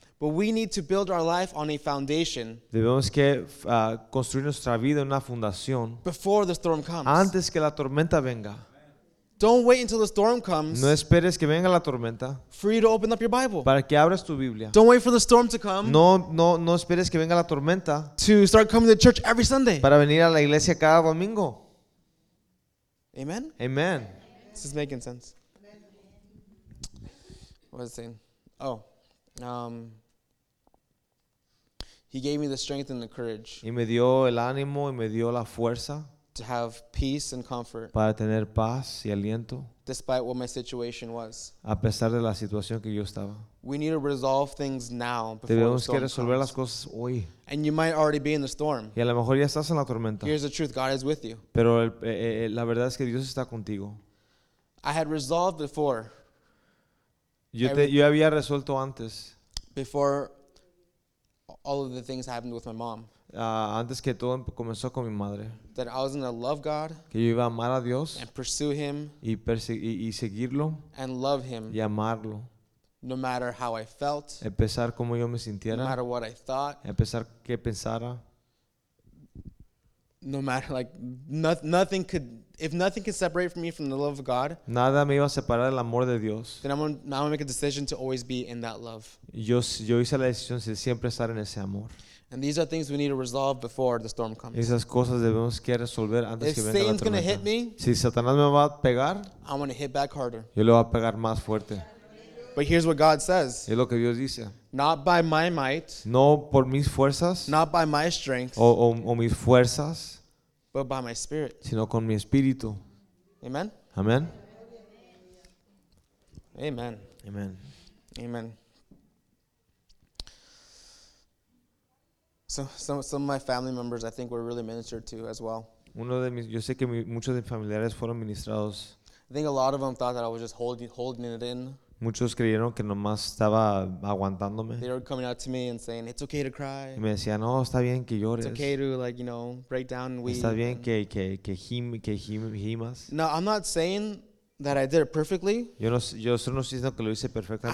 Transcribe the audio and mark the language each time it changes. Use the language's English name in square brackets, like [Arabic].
[English] But we need to build our life on a foundation. [Spanish] Debemos que construir nuestra vida en una fundación [English] before the storm comes. [Spanish] Antes que la tormenta venga. [English] Don't wait until the storm comes. [Spanish] No esperes que venga la tormenta. [English] For you to open up your Bible. [Spanish] Para que abras tu Biblia. [English] Don't wait for the storm to come. [Spanish] No esperes que venga la tormenta. [English] To start coming to church every Sunday. [Spanish] Para venir a la iglesia cada domingo. [English] Amen. [Spanish] Amen. [English] This is making sense. What was I saying? Oh, he gave me the strength and the courage. [Spanish] Y me dio el ánimo y me dio la fuerza. [English] to have peace and comfort. [Spanish] Para tener paz y aliento. [English] Despite what my situation was. [Spanish] A pesar de la situación que yo estaba. [English] We need to resolve things now before [Spanish] debemos [English] the storm [Spanish] que resolver [English] comes. [Spanish] Las cosas hoy. [English] And you might already be in the storm. [Spanish] Y a lo mejor ya estás en la tormenta. [English] Here's the truth, God is with you. [Spanish] Pero la verdad es que Dios está contigo. [English] I had resolved before. [Spanish] Yo había resuelto antes. [English] Before all of the things happened with my mom. [Spanish] Antes que todo comenzó con mi madre. [English] That I was going to love God. [Spanish] Que yo iba a amar a Dios. [English] And pursue him. [Spanish] Y seguirlo. [English] And love him. [Spanish] Y amarlo. [English] No matter how I felt. [Spanish] A pesar como yo me sintiera. [English] No matter what I thought. [Spanish] A pesar que pensara. [English] No matter, like, nothing could, if nothing could separate me from the love of God. [Spanish] Nada me iba a separar del amor de Dios. [English] Then I'm gonna make a decision to always be in that love. [Spanish] Yo hice la decisión de siempre estar en ese amor. [English] And these are things we need to resolve before the storm comes. [Spanish] Esas cosas debemos que resolver antes [English] if [Spanish] que venga [English] Satan's [Spanish] la tormenta. [English] Gonna hit me, [Spanish] si Satanás me va a pegar, [English] I'm gonna hit back harder. [Spanish] Yo le voy a pegar más fuerte. [English] But here's what God says. [Spanish] Es lo que Dios dice. [English] Not by my might. [Spanish] No por mis fuerzas. [English] Not by my strength. [Spanish] O mis fuerzas. [English] But by my spirit. [Spanish] Sino con mi espíritu. [English] Amen. [Spanish] Amen. [English] Amen. Amen. Amen. So some of my family members, I think, were really ministered to as well. [Spanish] Uno de mis, yo sé que muchos de mis familiares fueron ministrados. [English] I think a lot of them thought that I was just holding it in. [Spanish] Muchos creyeron que nomás estaba aguantándome. [English] They were coming out to me and saying, "It's okay to cry." [Spanish] Y me decían, "No, está bien que llores." [English] It's okay to, like, you know, break down and weep. [Spanish] Está bien que gimas. [English] No, I'm not saying that I did it perfectly. [Spanish] Yo solo no estoy diciendo que lo hice perfectamente.